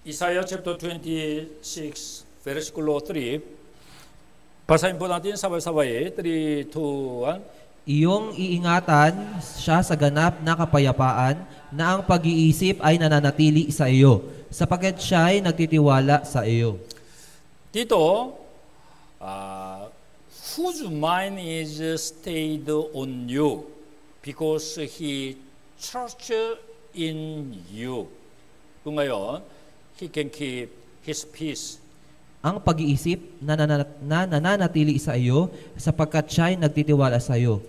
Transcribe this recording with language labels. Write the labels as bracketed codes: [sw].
[en] Isaiah chapter 26, versículo 3. [tl] Basahin po natin sabay-sabay. 3, 2, 1. Iyong iingatan siya sa ganap na kapayapaan na ang pag-iisip ay nananatili sa iyo sapagkat siya ay nagtitiwala sa iyo. Dito, [en] whose mind is stayed on you because he trusts in you. [tl] Kung ngayon, [en] he can keep his peace. [tl] Ang pag-iisip na nananatili sa iyo sapagkat siya ay nagtitiwala sa iyo.